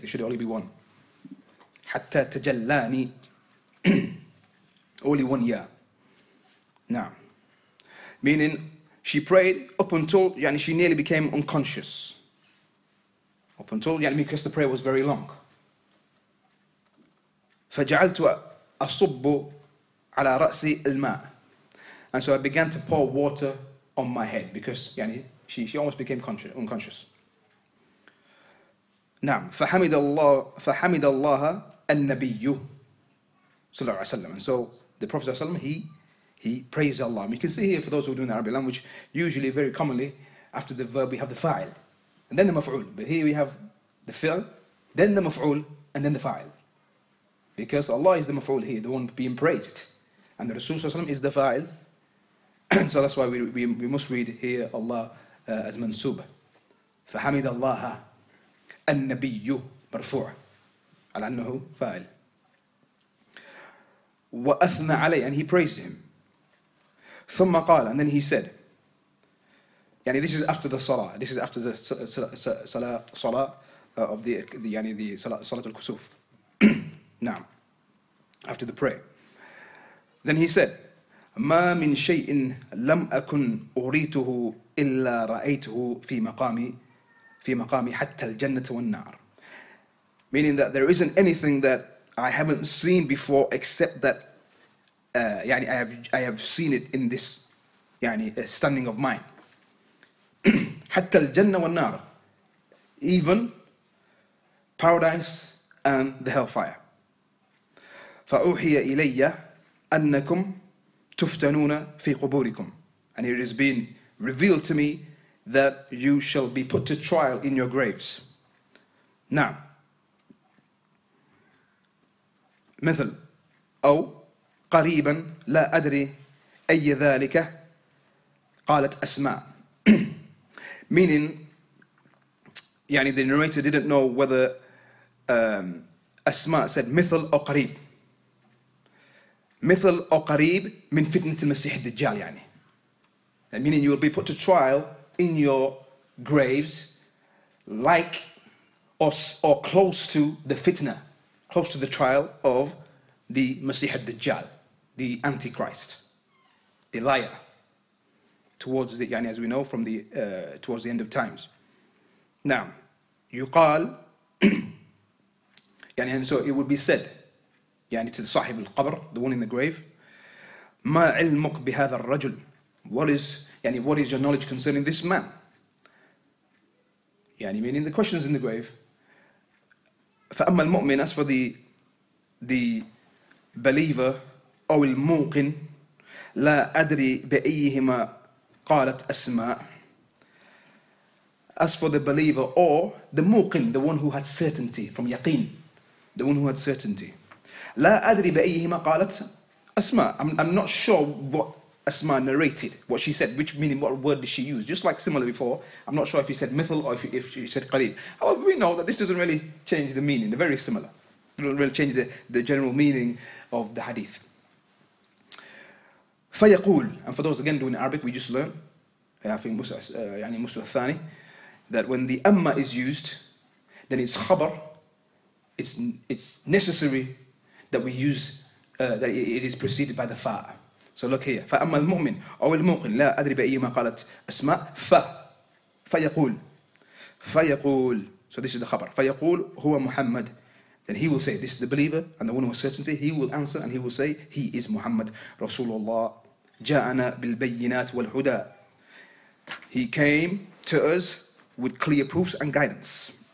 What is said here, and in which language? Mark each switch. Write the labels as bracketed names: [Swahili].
[English] It should only be one. [Arabic] حتى تجلاني [English] only one ya. Now, meaning she prayed up until يعني she nearly became unconscious. Up until يعني because the prayer was very long. [Arabic] فجعلت أصب على رأسي الماء. [English] And so I began to pour water on my head because يعني she almost became unconscious. [Arabic] نعم فحمد الله النبي صلى الله عليه وسلم. [English] And so the Prophet صلى الله عليه وسلم he praised Allah. And you can see here for those who are doing the Arabic language, usually very commonly after the verb we have the fa'il and then the maf'ul. But here we have the fi'l, then the maf'ul, and then the fa'il. Because Allah is the maf'ul here, the one being praised. And the Rasul صلى الله عليه وسلم is the fa'il. So that's why we must read here Allah as mansub. [Arabic] فحمد الله النبي مرفوع على أنه فاعل وأثنى عليه. [English] And he praised him. [Arabic] ثم قال. [English] And then he said. يعني this is after the salah. This is after the salah of the يعني the salah al-kusuf. نعم. After the prayer. Then he said. [Arabic] ما من شيء لم أكن أريته إلا رأيته في مقامي حتى الجنة والنار. [English] Meaning that there isn't anything that I haven't seen before except that يعني I have seen it in this يعني standing of mine. [Arabic] حتى الجنة والنار. [English] Even paradise and the hellfire. [Arabic] فأوحي إلي أنكم تفتنون في قبوركم. [English] And it has been revealed to me that you shall be put to trial in your graves. [Arabic] Now, مثل أو قريبا لا أدري أي ذلك قالت أسماء. [English] Meaning, يعني the narrator didn't know whether أسماء said [Arabic] مثل أو قريب. مثل أو قريب من فتنة المسيح الدجال يعني. [English] Meaning you will be put to trial in your graves like or close to the fitna, close to the trial of the Masih al-Dajjal, the Antichrist, the liar, towards the, يعني as we know, from the towards the end of times. Now, يقال, يعني and so it would be said, يعني to the Sahib al-Qabr, the one in the grave, [Arabic] ما علمك بهذا الرجل? [English] What is your knowledge concerning this man? يعني meaning the question is in the grave. [Arabic] فأما المؤمن, [English] as for the believer [Arabic] أو الموقن لا أدري بأيهما قالت أسماء. [English] As for the believer or the موقن, the one who had certainty from يقين, the one who had certainty. [Arabic] لا أدري بأيهما قالت أسماء. [English] I'm not sure what Asma narrated, what she said, which meaning, what word did she use? Just like similar before, I'm not sure if he said mithil or if she said qareeb. However, we know that this doesn't really change the meaning. They're very similar. It doesn't really change the general meaning of the hadith. فيقول. And for those again doing Arabic, we just learned, [Arabic] يعني مسوى الثاني, [English] that when the أما is used, then it's خبر. It's necessary that we use that it is preceded by the فاء. So look here. [Arabic] فأما المؤمن أو المؤمن لا أدري بأي ما قالت أسماء ف فيقول فيقول. [English] So this is the خبر. [Arabic] فيقول هو محمد. [English] Then he will say, this is the believer and the one with certainty. He will answer and he will say, he is Muhammad Rasulullah. [Arabic] جاءنا بالبينات والهدى. [English] He came to us with clear proofs and guidance.